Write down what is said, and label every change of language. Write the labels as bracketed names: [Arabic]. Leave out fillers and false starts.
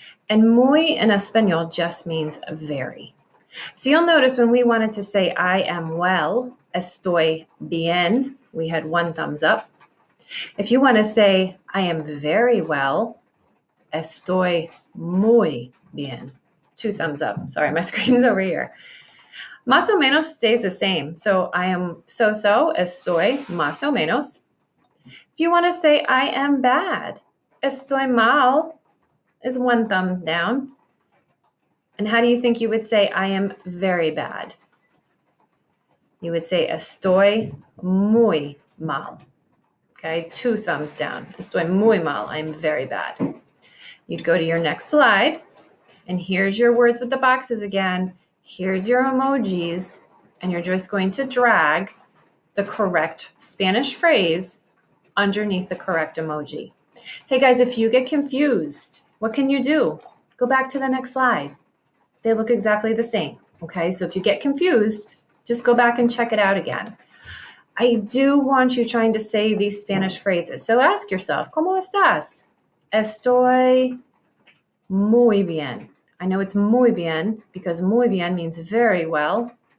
[English] And muy in Espanol just means very. So you'll notice when we wanted to say I am well, [Spanish] estoy bien, [English] we had one thumbs up. If you want to say I am very well, [Spanish] estoy muy bien, [English] two thumbs up. Sorry, my screen's over here. [Spanish] Más o menos [English] stays the same. So I am so-so, [Spanish] estoy más o menos. [English] If you want to say, I am bad, [Spanish] estoy mal, [English] is one thumbs down. And how do you think you would say, I am very bad? You would say, [Spanish] estoy muy mal. [English] Okay, two thumbs down. [Spanish] Estoy muy mal, [English] I am very bad. You'd go to your next slide, and here's your words with the boxes again. Here's your emojis, and you're just going to drag the correct Spanish phrase underneath the correct emoji. Hey guys, if you get confused, what can you do? Go back to the next slide. They look exactly the same, okay? So if you get confused, just go back and check it out again. I do want you trying to say these Spanish phrases. So ask yourself, [Spanish] ¿cómo estás? Estoy muy bien. [English] I know it's [Spanish] muy bien [English] because [Spanish] muy bien [English] means very well.